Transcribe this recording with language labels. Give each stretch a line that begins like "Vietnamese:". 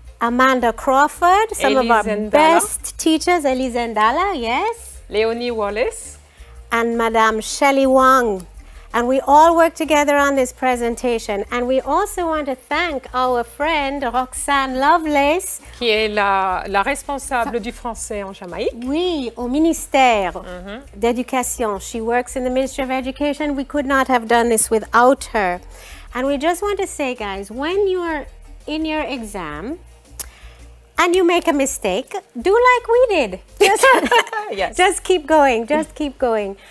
English: Amanda Crawford, some Elie of our Zendala. Best teachers. Elie Zendala, yes. Leonie Wallace. And Madame Shelley Wong. And we all work together on this presentation. And we also want to thank our friend Roxane Lovelace.
French: Qui est la responsable du français en Jamaïque. Oui, au ministère d'éducation.
English: She works in the Ministry of Education. We could not have done this without her. And we just want to say, guys, when you're in your exam and you make a mistake, do like we did. Yes. Just keep going, just keep going.